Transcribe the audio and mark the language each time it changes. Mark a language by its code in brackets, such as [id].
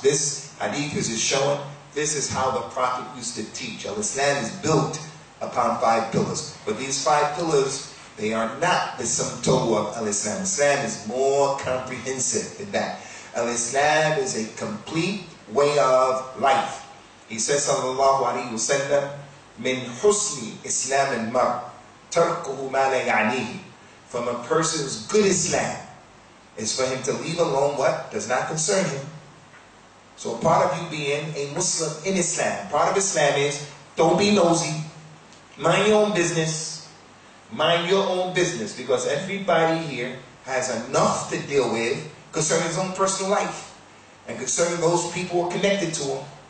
[en] This hadith is showing this is how the Prophet used to teach. Al-Islam is built upon five pillars. But these five pillars, they are not the sum total of Al-Islam. Islam is more comprehensive than that. Al-Islam is a complete way of life. He says, [ar] Sallallahu Alaihi Wasallam, من حسن إسلام المرء تركه ما لا يعنيه. [en] From a person's good Islam, is for him to leave alone what does not concern him. So part of you being a Muslim in Islam, part of Islam is, don't be nosy, mind your own business, mind your own business, because everybody here has enough to deal with concerning his own personal life, and concerning those people who are connected to him.